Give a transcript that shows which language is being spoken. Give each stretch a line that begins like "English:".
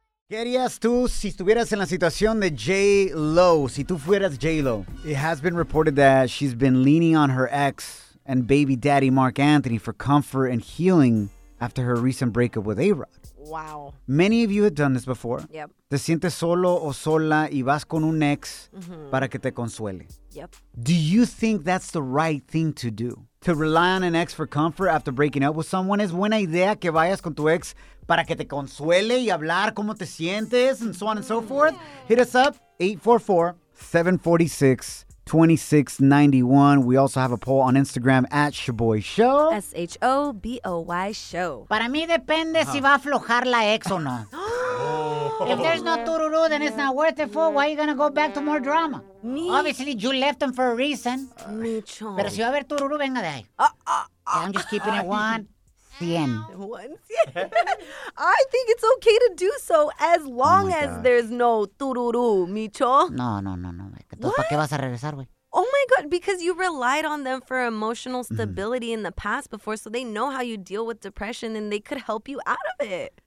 Spanish: ¿Qué harías tú si estuvieras en la situación de J-Lo? Si tú fueras J-Lo.
English: It has been reported that she's been leaning on her ex and baby daddy Mark Anthony for comfort and healing after her recent breakup with A-Rod. Wow. Many of you have done this before. Yep.
Spanish: Te sientes solo o sola y vas con un ex para que te consuele.
English: Yep. Do you think that's the right thing to do? To rely on an ex for comfort after breaking up with someone?
Spanish: ¿Es buena idea que vayas con tu ex para que te consuele y hablar cómo te sientes
English: and so on and so forth? Hit us up, 844-746-2691. We also have a poll on Instagram at Shaboy Show. S-H-O-B-O-Y Show.
Spanish: Para mí depende si va a aflojar la ex o no.
English: If there's no tururu, then it's not worth it for. Why are you going to go back to more drama? Me? Obviously, you left him for a reason.
Spanish: Mucho. Pero si va a haber tururu, venga de ahí.
English: I'm just keeping it one. I think it's okay to do so as long as there's no tururu, Micho.
Spanish: No. ¿Para qué vas a regresar, güey?
English: Oh my God, because you relied on them for emotional stability in the past before, so they know how you deal with depression and they could help you out of it.